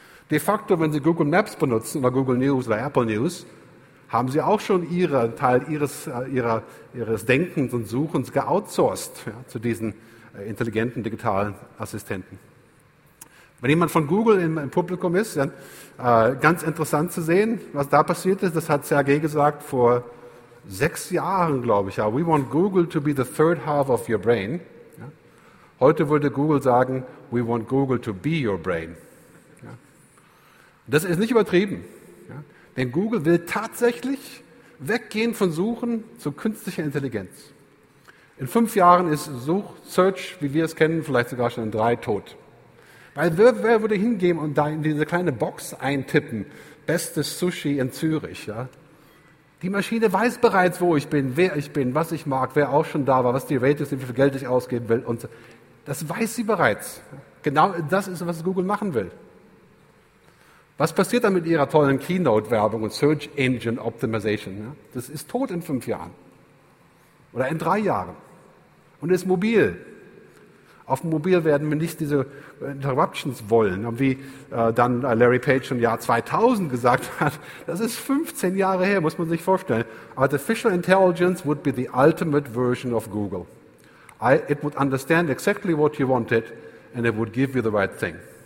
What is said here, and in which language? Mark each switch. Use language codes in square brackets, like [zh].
[de] De facto, wenn Sie Google Maps benutzen oder Google News oder Apple News, haben Sie auch schon Teil Ihres Denkens und Suchens geoutsourced, ja, zu diesen intelligenten digitalen Assistenten. Wenn jemand von Google im Publikum ist, dann ganz interessant zu sehen, was da passiert ist. Das hat Sergey gesagt vor 6 Jahren, glaube ich. Ja. [en] We want Google to be the third half of your brain. [de] Ja. Heute würde Google sagen, [en] we want Google to be your brain. [de] Das ist nicht übertrieben, ja? Denn Google will tatsächlich weggehen von Suchen zu künstlicher Intelligenz. In 5 Jahren ist Search, wie wir es kennen, vielleicht sogar schon in 3 tot. Weil wer würde hingehen und da in diese kleine Box eintippen, bestes Sushi in Zürich? Ja? Die Maschine weiß bereits, wo ich bin, wer ich bin, was ich mag, wer auch schon da war, was die Rate ist, wie viel Geld ich ausgeben will. Und das weiß sie bereits. Genau das ist, was Google machen will. Was passiert dann mit Ihrer tollen Keynote-Werbung und Search Engine Optimization? Das ist tot in 5 Jahren oder in 3 Jahren und ist mobil. Auf dem Mobil werden wir nicht diese Interruptions wollen. Und wie dann Larry Page im Jahr 2000 gesagt hat, das ist 15 Jahre her, muss man sich vorstellen. [en] Artificial Intelligence would be the ultimate version of Google. It would understand exactly what you wanted and it would give you the right thing.